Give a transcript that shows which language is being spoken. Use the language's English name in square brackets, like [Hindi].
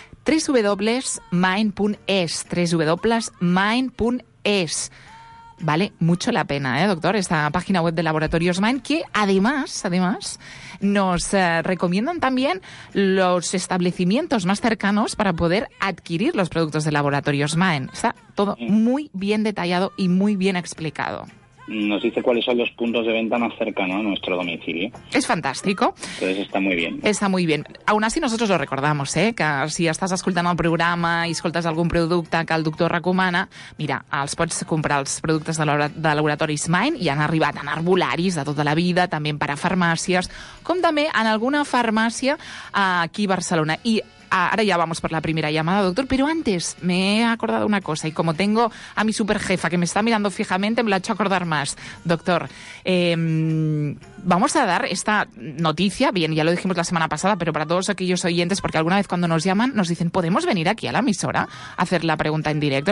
[Spanish] www.mind.es, vale mucho la pena, doctor, esta página web de Laboratorios Mind, que además nos recomiendan también los establecimientos más cercanos para poder adquirir los productos de Laboratorios Mind. Está todo muy bien detallado y muy bien explicado. Nos dice cuáles son los puntos de venta más cercanos a nuestro domicilio. Es fantástico. Entonces está muy bien. Está muy bien. Aún así nosotros lo recordamos, [Catalan] que si estàs escoltant el programa i escoltes algun producte que el doctor recomana, mira, els pots comprar els productes de Laboratoris Mind i han arribat en herbolaris de tota la vida, també per a farmàcies, com també en alguna farmàcia aquí a Barcelona. [Spanish] I ahora ya vamos por la primera llamada, doctor, pero antes me he acordado una cosa y como tengo a mi superjefa que me está mirando fijamente, me la he hecho acordar más. Doctor, vamos a dar esta noticia, bien, ya lo dijimos la semana pasada, pero para todos aquellos oyentes, porque alguna vez cuando nos llaman nos dicen, ¿podemos venir aquí a la emisora a hacer la pregunta en directo?